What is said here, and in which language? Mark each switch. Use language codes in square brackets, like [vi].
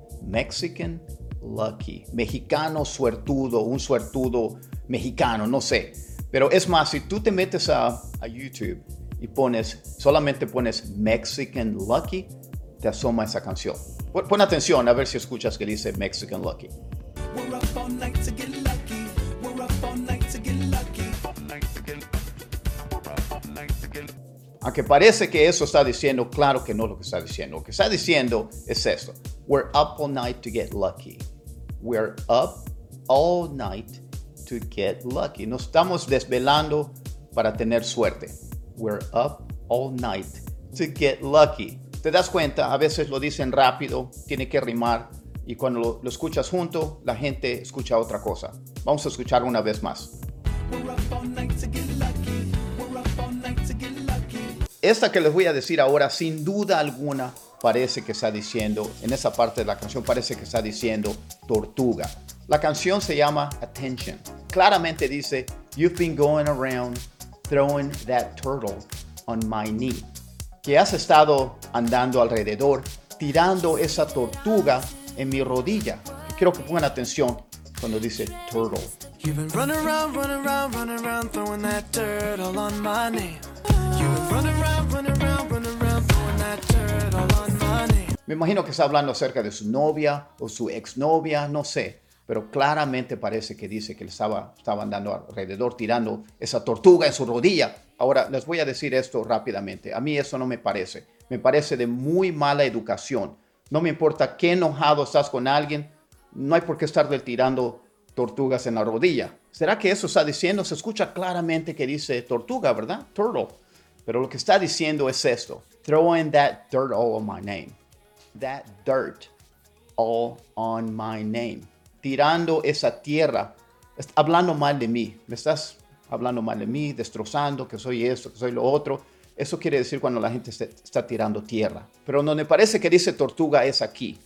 [es] Mexican Lucky. Mexicano suertudo, un suertudo mexicano, no sé. Pero es más, si tú te metes a YouTube y solamente pones Mexican Lucky, te asoma esa canción. Pon atención a ver si escuchas que dice Mexican Lucky. [en] We're up all night to get lucky. We're up all night to get lucky. [es] Aunque parece que eso está diciendo, claro que no es lo que está diciendo. Lo que está diciendo es esto. [en] We're up all night to get lucky. We're up all night to get lucky. [es] Nos estamos desvelando para tener suerte. [en] We're up all night to get lucky. [es] ¿Te das cuenta? A veces lo dicen rápido, tiene que rimar. Y cuando lo escuchas junto, la gente escucha otra cosa. Vamos a escuchar una vez más. [en] We're up all night to get lucky. We're up all night to get lucky. [es] Esta que les voy a decir ahora, sin duda alguna, parece que está diciendo, en esa parte de la canción parece que está diciendo tortuga. La canción se llama Attention. Claramente dice, [en] You've been going around throwing that turtle on my knee. [es] Que has estado andando alrededor tirando esa tortuga en mi rodilla. Quiero que pongan atención cuando dice turtle. [en] You've been running around, throwing that turtle on my name. You've been running around, throwing that turtle on my name. [es] Me imagino que está hablando acerca de su novia o su exnovia, no sé. Pero claramente parece que dice que le estaba andando alrededor, tirando esa tortuga en su rodilla. Ahora, les voy a decir esto rápidamente. A mí eso no me parece. Me parece de muy mala educación. No me importa qué enojado estás con alguien, no hay por qué estarle tirando tortugas en la rodilla. ¿Será que eso está diciendo? Se escucha claramente que dice tortuga, ¿verdad? Turtle. Pero lo que está diciendo es esto. [en] Throwing that dirt all on my name. That dirt all on my name. [es] Tirando esa tierra, hablando mal de mí. Me estás hablando mal de mí, destrozando que soy esto, que soy lo otro. Eso quiere decir cuando la gente está tirando tierra. Pero donde parece que dice tortuga es aquí.